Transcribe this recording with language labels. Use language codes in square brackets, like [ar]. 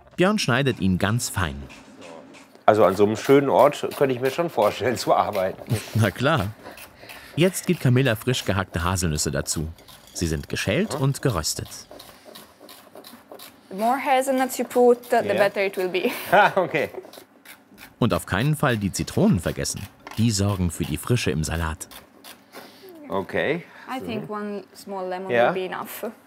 [de] Björn schneidet ihn ganz fein. Also an so einem schönen Ort könnte ich mir schon vorstellen zu arbeiten. Na klar. Jetzt gibt Camilla frisch gehackte Haselnüsse dazu. Sie sind geschält und geröstet. [en] The more hazelnuts you put, the better it will be. Okay. [de] Und auf keinen Fall die Zitronen vergessen. Die sorgen für die Frische im Salat. Okay. [en] I think one small lemon will be enough.